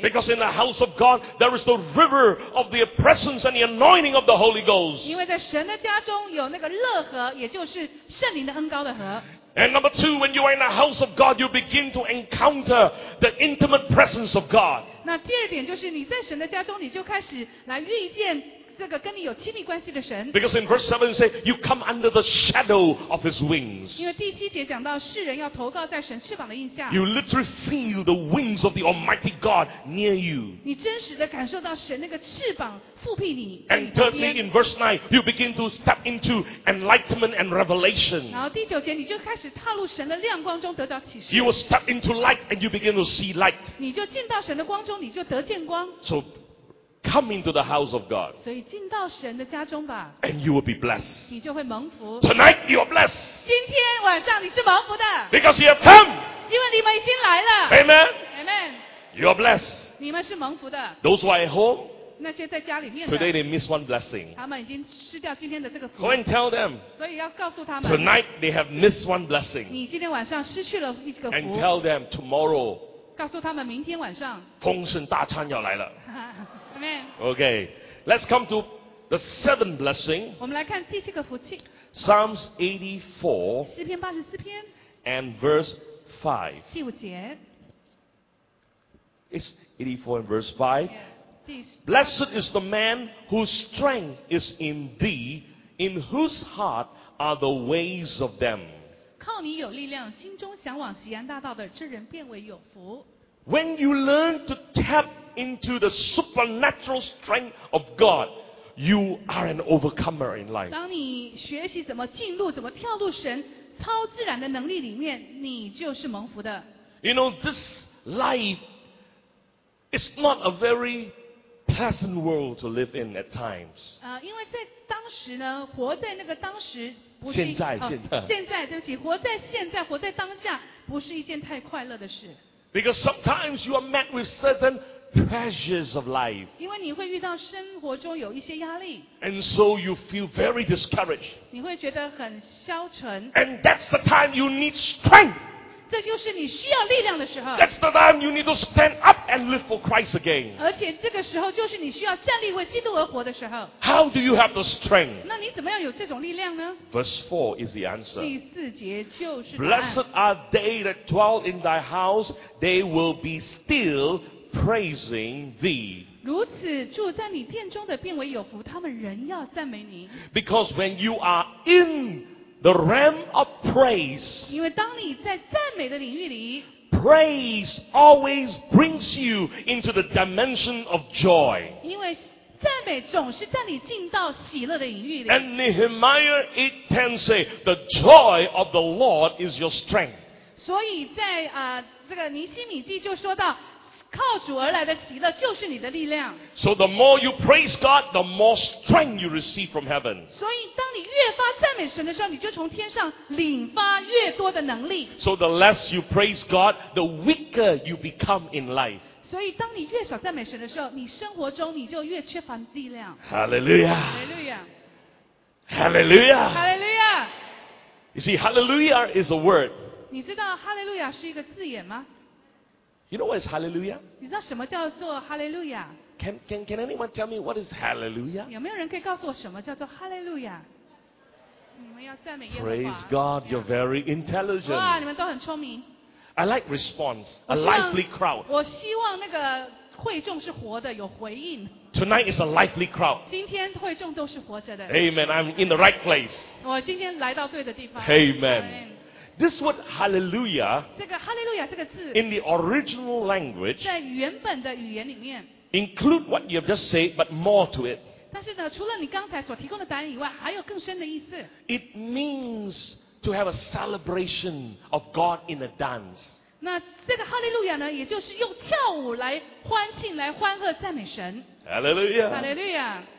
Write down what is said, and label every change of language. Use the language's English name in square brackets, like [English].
[English] Because in the house of God there is the river of the presence and the anointing of the Holy Ghost. [Chinese] 因为在神的家中有那个乐河，也就是圣灵的恩膏的河。 [English] And number two, when you are in the house of God, you begin to encounter the intimate presence of God. [Chinese] 那第二点就是你在神的家中，你就开始来遇见这个跟你有亲密关系的神。 [English] Because in verse 7 it says, you come under the shadow of His wings. [Chinese] 因为第七节讲到世人要投靠在神翅膀的荫下。 [English] You literally feel the wings of the Almighty God near you. [Chinese] 你真实的感受到神那个翅膀覆庇你。 [English] And thirdly, in verse 9, you begin to step into enlightenment and revelation. [Chinese] 然后第九节你就开始踏入神的亮光中得到启示。 [English] You will step into light and you begin to see light. [Chinese] 你就进到神的光中，你就得见光。 [English] So,Come into the house of God. [Chinese] 所以进到神的家中吧。 [English] And you will be blessed. [Chinese] 你就会蒙福。 [English] Tonight you are blessed. [Chinese] 今天晚上你是蒙福的。 [English] Because you have come. [Chinese] 因为你们已经来了。 [English] Amen. Amen. You are blessed. [Chinese] 你们是蒙福的。 [English] Those who are at home. [Chinese] 那些在家里面的。 [English] Today they miss one blessing. [Chinese] 他们已经失掉今天的这个福。 [English] Go and tell them. [Chinese] 所以要告诉他们。 [English] Tonight they have missed one blessing. [Chinese] 你今天晚上失去了一个福。 [English] And tell them tomorrow. [Chinese] 告诉他们明天晚上。丰盛大餐要来了。 [English] Amen. Okay, let's come to the seventh blessing. [Chinese] 我们来看第七个福气。 [English] Psalms 84, [Chinese] 诗篇八十四篇 [English] and verse 5. [Chinese] 第五节 [English] It's 84 and verse 5. Yes. Blessed is the man whose strength is in thee, in whose heart are the ways of them. [Chinese] 靠你有力量，心中向往锡安大道的，这人变为有福。 [English] When you learn to tap into the supernatural strength of God, you are an overcomer in life. [Chinese] 当你学习怎么进入、怎么跳入神超自然的能力里面，你就是蒙福的。 [English] You know, this life is not a very pleasant world to live in at times. [Chinese] 因为在当时呢，活在那个当时不是。现在。现在，对不起，活在现在，活在当下，不是一件太快乐的事。 [English] Because sometimes you are met with certain pressures of life. [Chinese] 因为你会遇到生活中有一些压力。 [English] And so you feel very discouraged. [Chinese] 你会觉得很消沉。 [English] And that's the time you need strength. [Chinese] 这就是你需要力量的时候。 [English] That's the time you need to stand up and live for Christ again. [Chinese] 而且这个时候就是你需要站立为基督而活的时候。 [English] How do you have the strength? [Chinese] 那你怎么样有这种力量呢？ [English] Verse 4 is the answer. [Chinese] 第四节就是答案。 [English] Blessed are they that dwell in thy house, they will be still praising thee. [Chinese] 如此住在你殿中的变为有福，他们仍要赞美你。 [English] Because when you are in the realm of praise, [Chinese] 因为当你在赞美的领域里， [English] praise always brings you into the dimension of joy. [Chinese] 因为赞美总是带你进到喜乐的领域里。 [English] And Nehemiah 8:10 say, the joy of the Lord is your strength. [Chinese] 所以在这个尼希米记就说到，靠主而来的喜乐就是你的力量。 [English] So the more you praise God, the more strength you receive from heaven. [Chinese] 所以当你越发赞美神的时候，你就从天上领发越多的能力。 [English] So the less you praise God, the weaker you become in life. [Chinese] 所以当你越少赞美神的时候，你生活中你就越缺乏力量。 [English] Hallelujah. Hallelujah. Hallelujah. Hallelujah. You see, Hallelujah is a word. [Chinese] 你知道 Hallelujah 是一个字眼吗？ [English] You know what is Hallelujah? [Chinese] 你知道什么叫做 Hallelujah? [English] Can anyone tell me what is Hallelujah? [Chinese] 有没有人可以告诉我什么叫做 Hallelujah? 你们要赞美耶和华。 [English] Praise God, you're very intelligent. [Chinese] 哇，你们都很聪明。 [English] I like response, a lively crowd. [Chinese] 我希望那个会众是活的，有回应。 [English] Tonight is a lively crowd. [Chinese] 今天会众都是活着的。 [English] Amen. I'm in the right place. [Chinese] 我今天来到对的地方。 [English] Amen. This word Hallelujah, [Chinese] 这个 Hallelujah 这个字 [English] in the original language, [Chinese] 在原本的语言里面 [English] include what you have just said, but more to it. [Chinese] 但是呢，除了你刚才所提供的答案以外，还有更深的意思。 [English] It means to have a celebration of God in a dance. [Chinese] 那这个 Hallelujah 呢，也就是用跳舞来欢庆、来欢贺、赞美神。 [English] Hallelujah. Hallelujah.